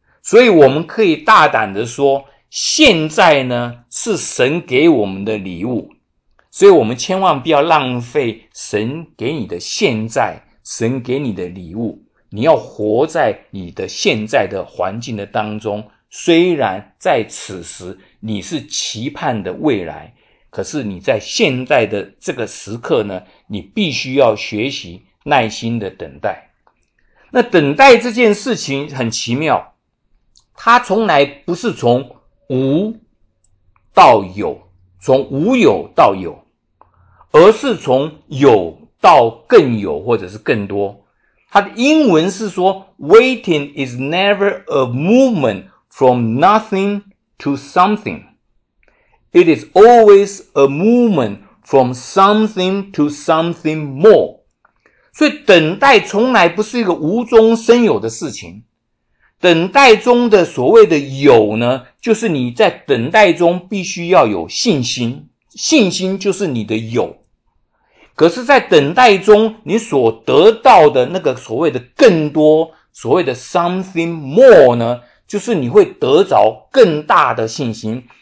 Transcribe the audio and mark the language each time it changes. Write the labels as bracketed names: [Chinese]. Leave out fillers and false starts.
[Chinese] 所以我们可以大胆的说，现在呢是神给我们的礼物，所以我们千万不要浪费神给你的现在，神给你的礼物，你要活在你的现在的环境的当中，虽然在此时你是期盼的未来，可是你在现在的这个时刻呢，你必须要学习耐心的等待。那等待这件事情很奇妙，它从来不是从无到有，从无有到有，而是从有到更有，或者是更多。它的英文是说 [English] waiting is never a movement from nothing to something， it is always a movement from something to something more。 [Chinese] 所以等待从来不是一个无中生有的事情，等待中的所谓的有呢，就是你在等待中必须要有信心，信心就是你的有。可是在等待中你所得到的那个所谓的更多，所谓的 [English] something more [Chinese] 呢，就是你会得着更大的信心。